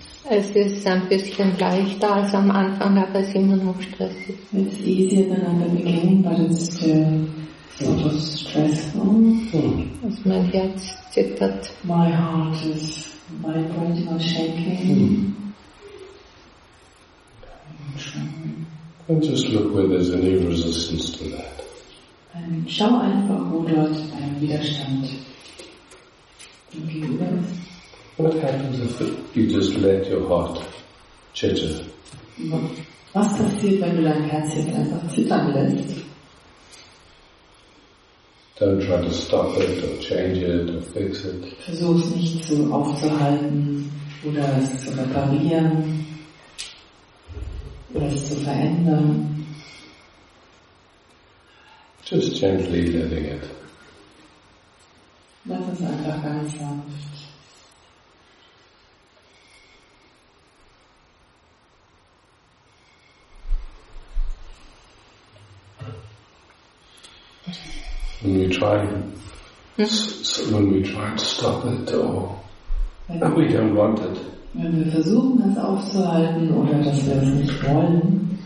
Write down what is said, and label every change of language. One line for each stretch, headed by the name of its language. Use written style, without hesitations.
German: Es ist ein bisschen leichter als am Anfang, aber es ist immer noch stressig.
English: It's easier than at the beginning, but it's still sort of stressful.
German: Also mein Herz zittert.
English: My heart is vibrating or shaking. And just look where there's any resistance to that.
German: Schau einfach, wo dort ein Widerstand gegenüber ist.
English: What happens if you just let your heart chitter?
German: Was passiert, wenn du dein Herz jetzt einfach zittern lässt?
English: Don't try to stop it or change it or fix it.
German: Versuch es nicht zu aufzuhalten oder es zu reparieren oder es zu verändern.
English: Just gently letting it.
German: Lass es einfach ganz sanft.
English: When we try to stop it or we don't want it.
German: Wenn wir versuchen, das aufzuhalten oder dass wir es nicht wollen.